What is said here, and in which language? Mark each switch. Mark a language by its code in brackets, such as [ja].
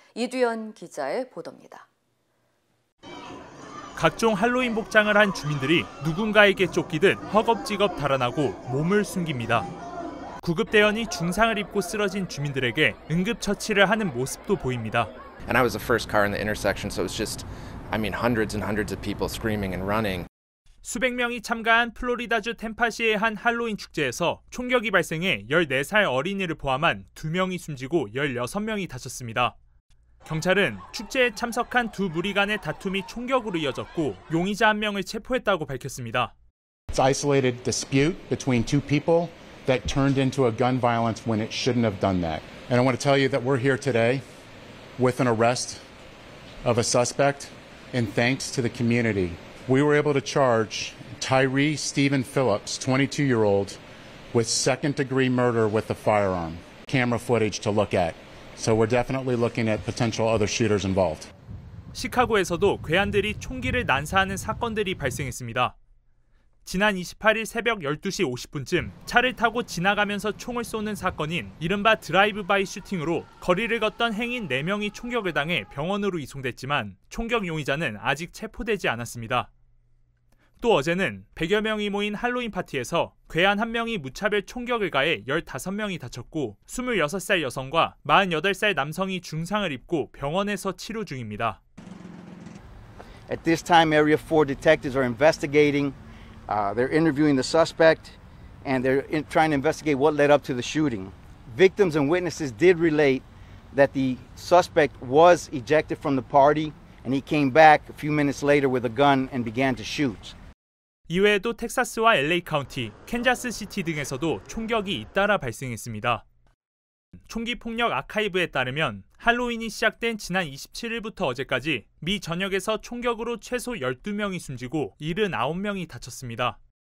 [ko] 이두현 기자의 보도입니다. 각종 할로윈 복장을 한 주민들이 누군가에게 쫓기듯 허겁지겁 달아나고 몸을 숨깁니다. 구급대원이 중상을 입고 쓰러진 주민들에게 응급처치를 하는 모습도 보입니다. [en] And I was the first car in the intersection, so it was just, I mean, hundreds and hundreds of people screaming and running. [ko] 수백 명이 참가한 플로리다주 템파시의 한 할로윈 축제에서 총격이 발생해 14살 어린이를 포함한 2명이 숨지고 16명이 다쳤습니다. 경찰은 축제에 참석한 두 무리 간의 다툼이 총격으로 이어졌고 용의자 한 명을 체포했다고 밝혔습니다. [en] It's isolated dispute between two people that turned into a gun violence when it shouldn't have done that. And I want to tell you that we're here today with an arrest of a suspect and thanks to the community. We were able to charge Tyree Stephen Phillips, 22-year-old, with second-degree murder with a firearm. Camera footage to look at. So we're definitely looking at potential other shooters involved. [ko] 시카고에서도 괴한들이 총기를 난사하는 사건들이 발생했습니다. 지난 28일 새벽 12시 50분쯤 차를 타고 지나가면서 총을 쏘는 사건인 이른바 드라이브바이 슈팅으로 거리를 걷던 행인 4명이 총격을 당해 병원으로 이송됐지만 총격 용의자는 아직 체포되지 않았습니다. 또 어제는 100여 명이 모인 할로윈 파티에서 괴한 한 명이 무차별 총격을 가해 15명이 다쳤고 26살 여성과 48살 남성이 중상을 입고 병원에서 치료 중입니다. [en] At this time, Area 4 detectives are investigating. They're interviewing the suspect and they're trying to investigate what led up to the shooting. Victims and witnesses did relate that the suspect was ejected from the party and he came back a few minutes later with a gun and began to shoot. [ko] 이외에도 텍사스와 LA 카운티, 캔자스 시티 등에서도 총격이 잇따라 발생했습니다. 총기 폭력 아카이브에 따르면 할로윈이 시작된 지난 27일부터 어제까지 미 전역에서 총격으로 최소 12명이 숨지고 79명이 다쳤습니다.